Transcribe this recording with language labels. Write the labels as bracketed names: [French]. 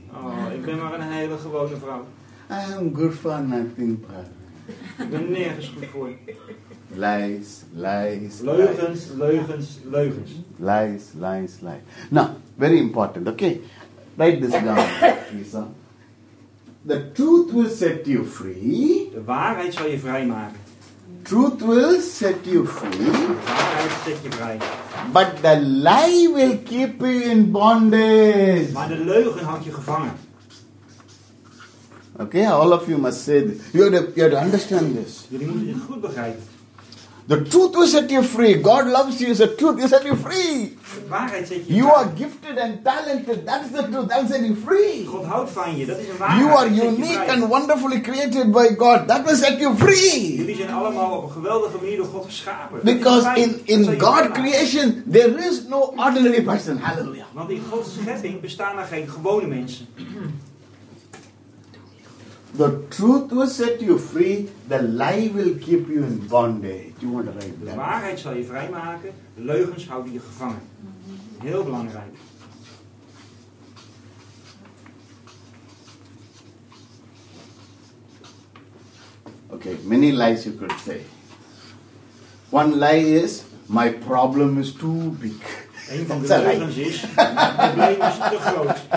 [Dutch] Oh, ik ben maar een hele gewone vrouw. [English] I'm good for nothing, brother. [Dutch] Ik ben nergens goed voor. [English] Lies, lies, [Dutch] leugens, leugens, leugens. [English] Lies, lies, lies. Now, very important, okay? Write this down, Lisa. The truth will set you free. [Dutch] De waarheid zal je vrij maken. [English] Truth will set you free. [Dutch] De waarheid zet je vrij. [English] But the lie will keep you in bondage. [Dutch] Maar de leugen houdt je gevangen. [English] Okay, all of you must say this. You have to understand this. [Dutch] Jullie moeten dit goed begrijpen. [English] The truth will set you free. God loves you. It's the truth. He set you free. You are gifted and talented. That is the truth. That will set you free. [Dutch] God houdt van je. Dat is een waarheid. [English] You are unique and wonderfully created by God. That will set you free. [Dutch] Jullie zijn allemaal op een geweldige manier door God geschapen. [English] Because in God creation there is no ordinary person. Hallelujah. [Dutch] Want in Gods schepping bestaan er geen gewone mensen. [English] The truth will set you free. The lie will keep you in bondage. You want to write that? [Dutch] De waarheid zal je vrijmaken. De leugens houden je gevangen. Heel belangrijk. [English] Okay, many lies you could say. One lie is, my problem is too big. [Dutch] Een van de leugens is, mijn probleem is te groot.